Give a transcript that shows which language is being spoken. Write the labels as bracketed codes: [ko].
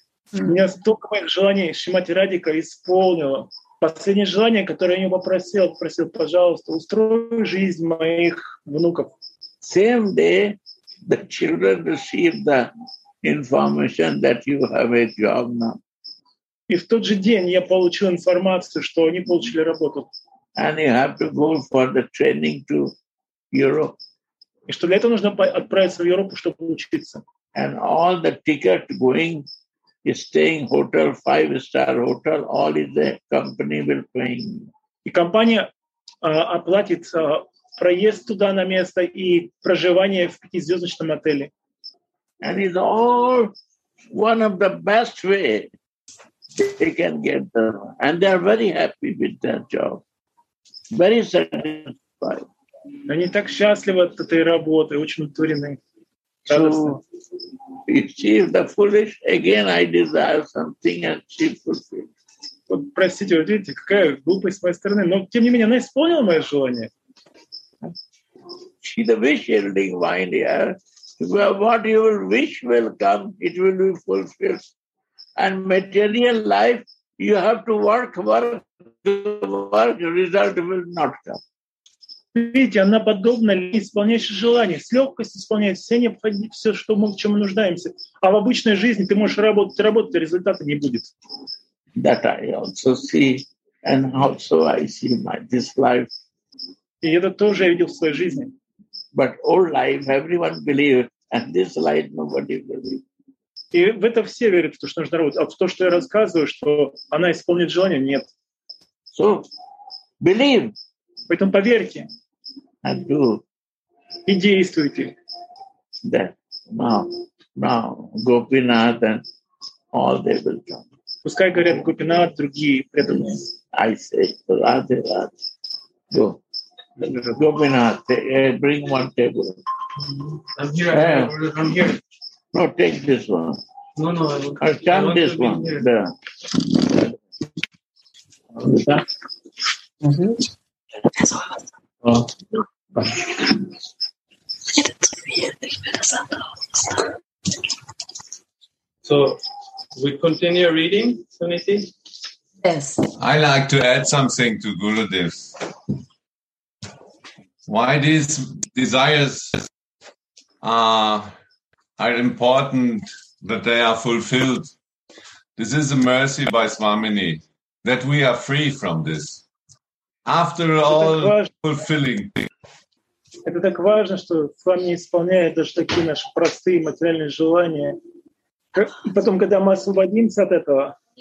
[ru] У меня столько моих желаний Шримати Радика исполнило. Последнее желание, которое я не попросил, пожалуйста, устрой жизнь моих внуков. [en] Same day, the children received the information that you have a job now. [ru] И в тот же день я получил информацию, что они получили работу. [en] And you have to go for the training to Europe. [ru] И что для этого нужно отправиться в Европу, чтобы учиться. [en] And all the ticket going, staying hotel, 5-star hotel, all is the company will pay. [ru] И компания оплатит проезд туда на место и проживание в 5-звездочном отеле. [en] And it's all one of the best way they can get them. And they are very happy with their job. Very satisfied. [ru] Они так счастливы от этой работы, очень удовлетворены. [en] So, you see, the foolish, again, I desire something and she fulfilled. [ru] Простите, вот видите, какая глупость с моей стороны. Но, тем не менее, она исполнила мое желание. [en] She's a wish-ending mind, yeah. Well, what you will wish will come, it will be fulfilled. And material life, you have to work, work, work, result will not come. [ru] Видите, она подобна исполняющей желания. С легкостью исполняет все необходимое, все, что мы, в чем мы нуждаемся. А в обычной жизни ты можешь работать, работать, а результата не будет. [en] That I also see, and also I see my, this life. [ru] И это тоже я видел в своей жизни. [en] But old life, everyone believes, and this life, nobody believes. [ru] И в это все верят, в то, что нужно работать. А в то, что я рассказываю, что она исполнит желание, нет. [en] So, believe. [ru] Поэтому поверьте. [en] And do. [ru] И действуйте. Да. [en] Now, now, Gopinath and all they will come. [ru] Пускай говорят Гопинат, другие преданные. [en] I say, Radhe, Radhe. Go. Gopinath, bring one table. I'm here. Yeah. I'm here. No, take this one. No, no. I'll come this one. There. Mm-hmm. So we continue reading, Suniti? Yes. I like to add something to Gurudev. Why these desires are important that they are fulfilled. This is a mercy by Swamini that we are free from this. After all fulfilling. [ru] Это так важно, что с вами не исполняет даже такие наши простые материальные желания. Потом, когда мы освободимся от этого.